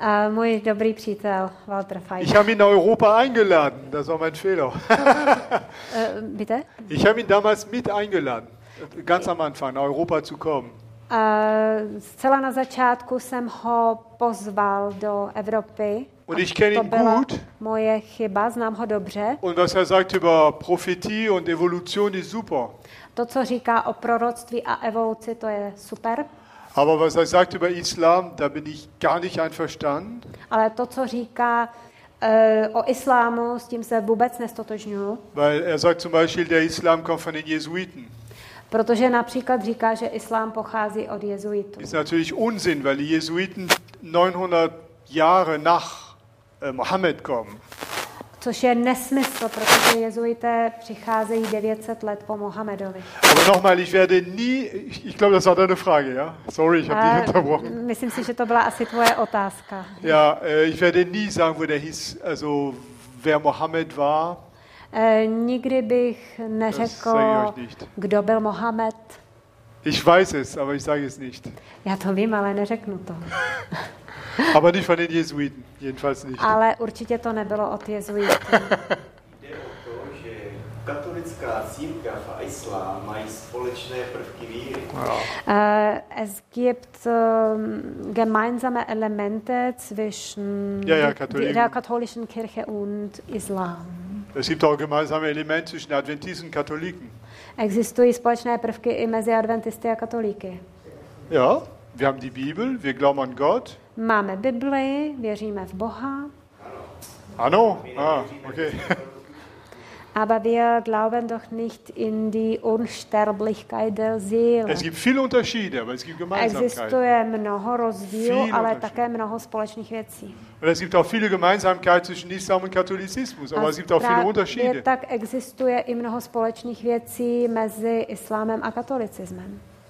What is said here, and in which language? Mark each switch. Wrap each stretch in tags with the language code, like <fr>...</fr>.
<cs>Můj dobrý přítel Walter Veit.</cs> <de>Ich habe ihn nach Europa eingeladen, das war mein Fehler. Bitte? Ich habe ihn damals mit eingeladen, ganz am Anfang nach Europa zu kommen.</de> <cs>Zcela na začátku jsem ho pozval do Evropy.</cs> <de>Und ich kenne ihn gut.</de> <cs>Moje chyba, znám ho dobře.</cs> <de>Und was er sagt über Prophetie und Evolution ist super.</de> <cs>To, co říká o proroctví a evoluci, to je super.</cs> <de>Aber was er sagt über Islam, da bin ich gar nicht einverstanden.</de> <cs>Ale to, co říká o islámu, s tím se vůbec nestotožňuji.</cs> <de>Weil er sagt zum Beispiel, der Islam kommt von den Jesuiten.</de> <cs>Protože například říká, že islám pochází od jezuitů.</cs> <de>Ist natürlich Unsinn, weil die Jesuiten 900 Jahre nach Mohammed kommen.</de> <cs>Což je nesmysl, protože jezuité přicházejí 900 let po Mohamedovi.</cs> <de>Aber nochmal, ich werde nie, ich glaube, das war deine Frage, ja? Sorry, ich habe dich unterbrochen.</de> <cs>Myslím si, že to byla asi tvoje otázka.</cs> <de>Ja, ich werde nie sagen, wo der hieß, also wer Mohammed war.</de> <cs>Nikdy bych neřekl, kdo byl Mohamed.</cs> <de>Ich weiß es, aber ich sage es nicht.</de> <cs>Já to vím, ale neřeknu to.</cs> <de>Aber nicht von den Jesuiten, jedenfalls nicht.</de> <cs>Ale určitě to nebylo od jezuitů. Jde o to, že katolická církev a islám mají společné prvky víry.</cs> <de>Es gibt gemeinsame Elemente zwischen der katholischen Kirche und Islam. Es gibt auch gemeinsame Elemente zwischen Adventisten und Katholiken.</de> <cs>Existují společné prvky i mezi Adventisty a Katolíky.</cs> <de>Ja, wir haben die Bibel, wir glauben an Gott.</de> <cs>Máme Bibli, věříme v Boha. Ano. Ano. Ah, okay.</cs> <de>Aber wir glauben doch nicht in die Unsterblichkeit der Seele. Es gibt viele Unterschiede, aber es gibt Gemeinsamkeiten.</de> <cs>Existuje mnoho rozdílů, ale také mnoho společných věcí.</cs> <de>Und es gibt auch viele Gemeinsamkeiten zwischen Islam und Katholizismus, aber es gibt auch viele Unterschiede.</de> <cs>Právě tak existuje i mnoho společných věcí mezi islámem a katolicismem.</cs>